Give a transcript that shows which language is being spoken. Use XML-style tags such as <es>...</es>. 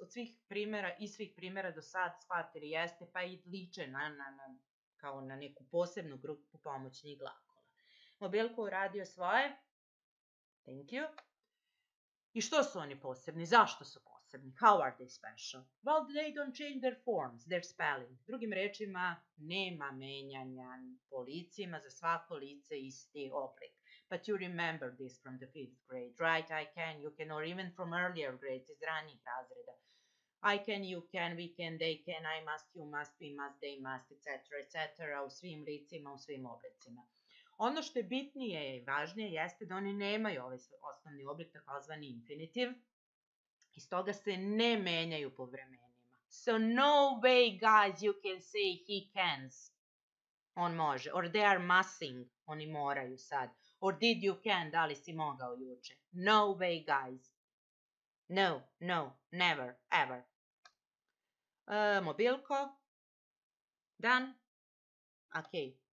<sr>Od svih primjera i svih primjera do sad shvatili jeste, pa i liče na kao na neku posebnu grupu pomoćnih glagola. Mobilko uradio svoje. Thank you. I što su oni posebni?</sr> <en>Zašto su posebni? How are they special? Well, they don't change their forms, their spelling.</en> <sr>Drugim rečima, nema menjanja po licima, za svako lice isti oblik.</sr> <en>But you remember this from the fifth grade, right? I can, you can, or even from earlier grades, iz ranijih razreda. I can, you can, we can, they can, I must, you must, we must, they must, etc., etc., u svim licima, u svim oblicima.</en> <sr>Ono što je bitnije i važnije jeste da oni nemaju ovaj osnovni oblik, takozvani infinitiv. Iz toga se ne menjaju po vremenima.</sr> <en>So no way, guys, you can say he cans.</en> <sr>On može. Or they are musting. Oni moraju sad. Or did you can, da li si mogao juče.</sr> <en>No way, guys. No, no, never, ever. Mobilko. Done. Okay.</en>